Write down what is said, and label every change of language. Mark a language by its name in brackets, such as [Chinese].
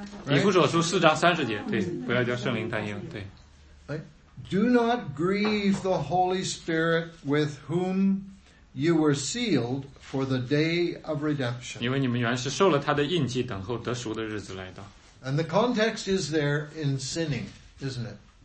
[Chinese] 以弗所书四章三十节，对，不要叫圣灵担忧，对。 [English] Do not grieve the Holy Spirit with whom you were sealed for the day of redemption. [Chinese] 因为你们原是受了他的印记，等候得赎的日子来到。 [English] And the context is there in sinning, isn't it?